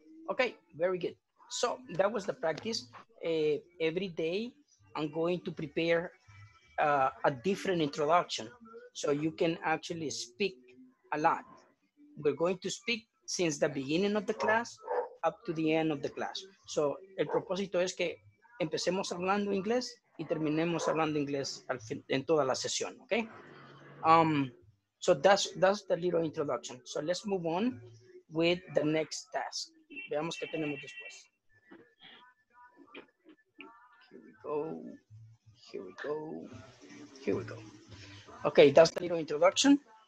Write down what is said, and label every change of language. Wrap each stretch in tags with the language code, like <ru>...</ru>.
<en>Okay, very good. So that was the practice. Every day I'm going to prepare a different introduction so you can actually speak a lot. We're going to speak since the beginning of the class up to the end of the class.</en> <es>So el propósito es que empecemos hablando inglés y terminemos hablando inglés al fin, en toda la sesión, okay?</es> <en>So that's the little introduction. So let's move on with the next task.</en> <es>Veamos qué tenemos después.</es> <en>Here we go. Okay, that's the little introduction.</en>